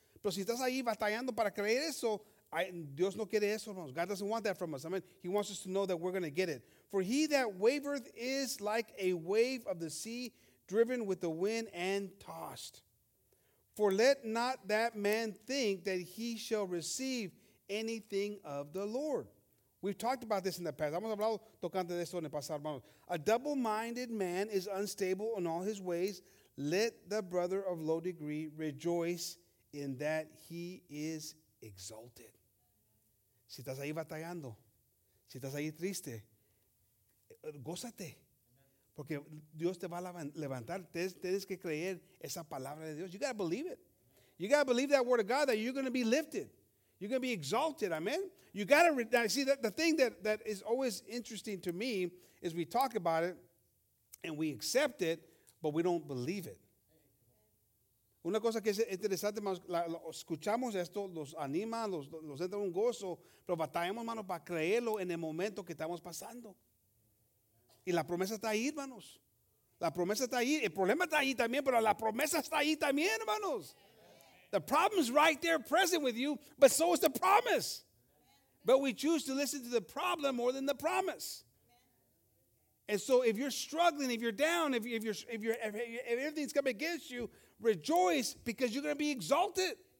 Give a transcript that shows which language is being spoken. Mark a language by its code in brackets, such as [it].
[es] Pero si estás ahí batallando para creer eso, Dios no quiere eso, hermanos. [en] God doesn't want that from us. Amen. He wants us to know that we're going to get it. For he that wavereth is like a wave of the sea, driven with the wind and tossed. For let not that man think that he shall receive anything of the Lord. We've talked about this in the past. [es] Hemos hablado tocando de esto en el pasado, hermanos. [en] A double-minded man is unstable in all his ways. Let the brother of low degree rejoice in that he is exalted. [es] Si estás ahí batallando, si estás ahí triste, gózate. Porque Dios te va a levantar. Tienes que creer esa palabra de Dios. [en] You got to believe it. You got to believe that word of God that you're going to be lifted. You're going to be exalted, amen? You got to, see, the thing that is always interesting to me is we talk about it and we accept it, but we don't believe it. [es] Una cosa que es interesante, escuchamos esto, los anima, los entra un gozo, pero batallamos, hermanos, para creerlo en el momento que estamos pasando. Y la promesa está ahí, hermanos. La promesa está ahí. El problema está ahí también, pero la promesa está ahí también, hermanos. [en] The problem is right there present with you, but so is the promise. But we choose to listen to the problem more than the promise. And so if you're struggling, if you're down, if everything's coming against you, rejoice, because you're going to be exalted.